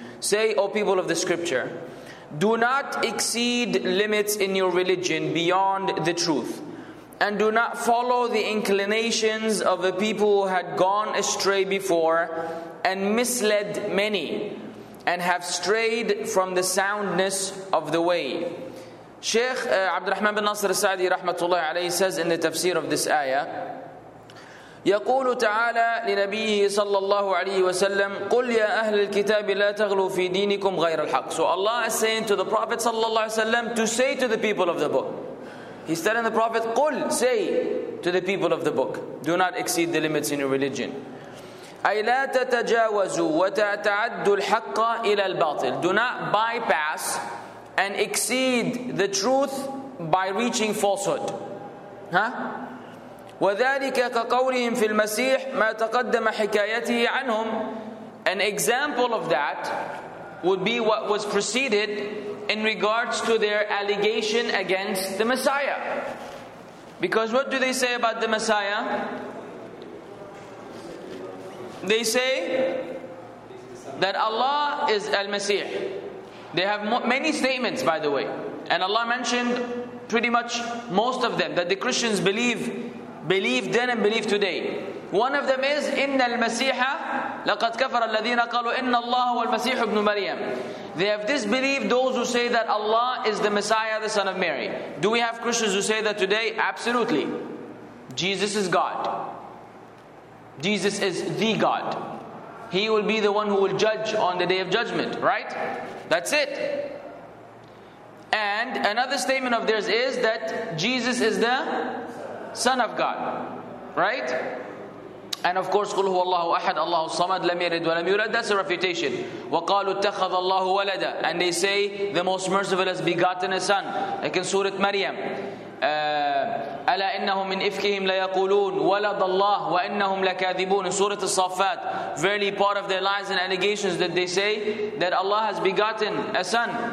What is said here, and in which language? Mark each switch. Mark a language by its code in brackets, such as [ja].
[en] Say, O people of the scripture, do not exceed limits in your religion beyond the truth, and do not follow the inclinations of the people who had gone astray before and misled many and have strayed from the soundness of the way. Shaykh Abdurrahman bin Nasir al-Sa'di rahmatullahi alayhi says in the tafsir of this ayah, [ar] يقول تعالى لنبيه صلى الله عليه وسلم قل يا أهل الكتاب لا تغلوا في دينكم غير الحق. [en] So Allah is saying to the Prophet [ar] صلى الله عليه وسلم [en] to say to the people of the book. He's telling the Prophet, قل, say to the people of the book, do not exceed the limits in your religion. [ar] أي لا تتجاوزوا وتتعدوا الحق إلى الباطل. [en] Do not bypass and exceed the truth by reaching falsehood. Huh? [ar] وذلك كقولهم في المسيح ما تقدم حكايته عنهم. [en] An example of that would be what was preceded in regards to their allegation against the Messiah. Because what do they say about the Messiah? They say that Allah is al-Masih. They have many statements, by the way, and Allah mentioned pretty much most of them that the Christians believe then and believe today. One of them is [ar] إِنَّ الْمَسِيحَ لَقَدْ كَفَرَ الَّذِينَ قَالُوا إِنَّ اللَّهُ وَالْمَسِيحُ ابْنُ مَرْيَمَ. [en] They have disbelieved those who say that Allah is the Messiah, the son of Mary. Do we have Christians who say that today? Absolutely. Jesus is God. Jesus is the God. He will be the one who will judge on the day of judgment, right? That's it. And another statement of theirs is that Jesus is the Son of God, right? And of course, [ar] قُلْ هُوَ اللَّهُ أَحَدٌ اللَّهُ الصَّمَدُ لَمْ يَلِدْ وَلَمْ يُولَدْ. [en] That's a refutation. [ar] وَقَالُوا اتَّخَذَ اللَّهُ وَلَدًا. [en] And they say, the most merciful has begotten a son. Like in Surah Maryam. [ar] أَلَا إِنَّهُمْ مِنْ إِفْكِهِمْ لَيَقُولُونَ وَلَدَ اللَّهُ وَإِنَّهُمْ لَكَاذِبُونَ. [en] In Surah Al-Saffat, verily part of their lies and allegations that they say that Allah has begotten a son.